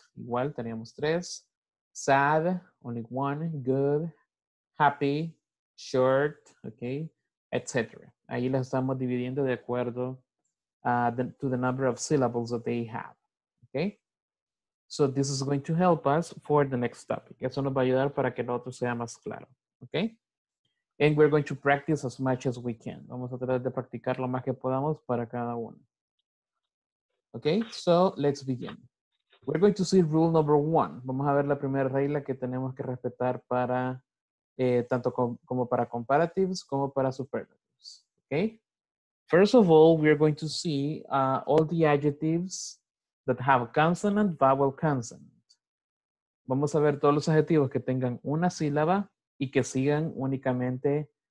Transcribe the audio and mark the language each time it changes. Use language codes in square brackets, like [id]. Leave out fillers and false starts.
[es] Igual teníamos tres. [en] Sad. Only one. Good. Happy, short, okay, etc. [es] Ahí las estamos dividiendo de acuerdo [en] to the number of syllables that they have, okay? So this is going to help us for the next topic. [es] Eso nos va a ayudar para que el otro sea más claro, okay? [en] And we're going to practice as much as we can. [es] Vamos a tratar de practicar lo más que podamos para cada uno. [en] Okay, so let's begin. We're going to see rule number one. [es] Vamos a ver la primera regla que tenemos que respetar para tanto como para comparatives como para superlatives, okay? [en] First of all, we are going to see all the adjectives that have consonant, vowel, consonant. [es] Vamos a ver todos los adjetivos que tengan una sílaba y que sigan únicamente